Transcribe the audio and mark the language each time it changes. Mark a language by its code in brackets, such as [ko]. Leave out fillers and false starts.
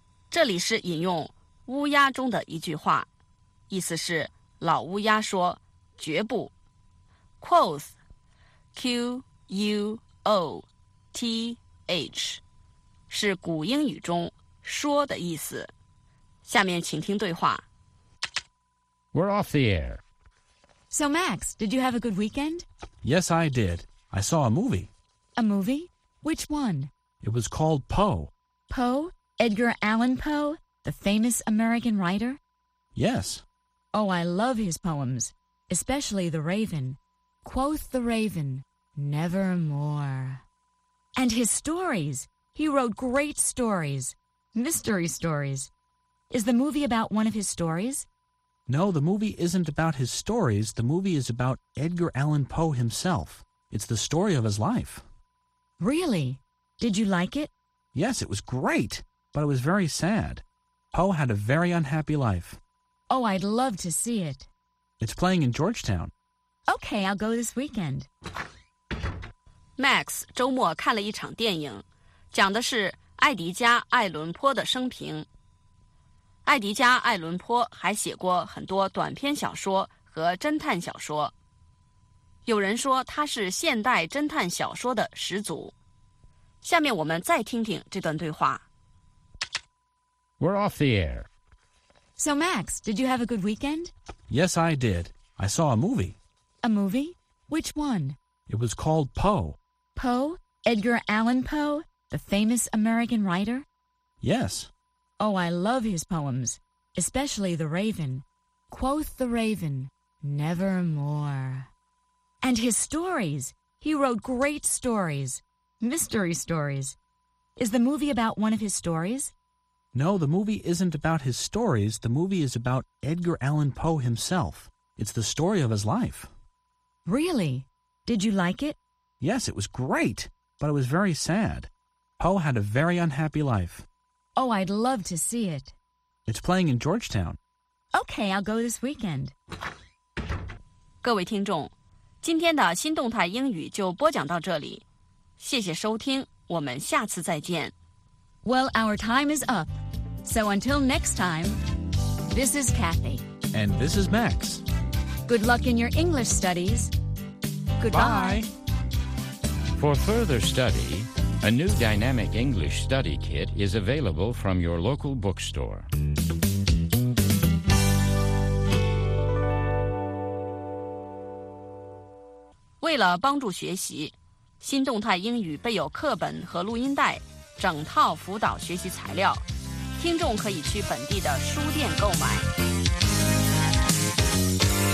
[zh] 这里是引用乌鸦中的一句话，意思是老乌鸦说绝不。 Quoth, Q-U-O-T-H, 是古英语中说的意思。下面请听对话。 [en] We're off the air. So, Max, did you have a good weekend? Yes, I did. I saw a movie. A movie? Which one? It was called Poe. Poe? Edgar Allan Poe? The famous American writer? Yes. Oh, I love his poems, especially The Raven. Quoth the Raven, nevermore. And his stories. He wrote great stories. Mystery stories. Is the movie about one of his stories? No, the movie isn't about his stories. The movie is about Edgar Allan Poe himself. It's the story of his life. Really? Did you like it? Yes, it was great, but it was very sad. Poe had a very unhappy life. Oh, I'd love to see it. It's playing in Georgetown. Okay, I'll go this weekend. [zh] Max 周末看了一场电影，讲的是艾迪加·艾伦坡的生平。艾迪加·艾伦坡还写过很多短篇小说和侦探小说。有人说他是现代侦探小说的始祖。下面我们再听听这段对话。 [en] We're off the air. So, Max, did you have a good weekend? Yes, I did. I saw a movie. A movie? Which one? It was called Poe. Poe? Edgar Allan Poe? The famous American writer? Yes. Oh, I love his poems, especially The Raven. Quoth the Raven, nevermore. And his stories. He wrote great stories, mystery stories. Is the movie about one of his stories? No, the movie isn't about his stories. The movie is about Edgar Allan Poe himself. It's the story of his life. Really? Did you like it? Yes, it was great, but it was very sad. Poe had a very unhappy life. Oh, I'd love to see it. It's playing in Georgetown. Okay, I'll go this weekend. [zh] 各位听众，今天的新动态英语就播讲到这里。谢谢收听，我们下次再见。 [en] Well, our time is up. So until next time, this is Kathy. And this is Max. Good luck in your English studies. Goodbye. Bye. For further study... A new Dynamic English Study Kit is available from your local bookstore. [zh] For 了帮助学习，新动态英语备有课本和录音带，整套辅导学习材料，听众可以去本地的书店购买。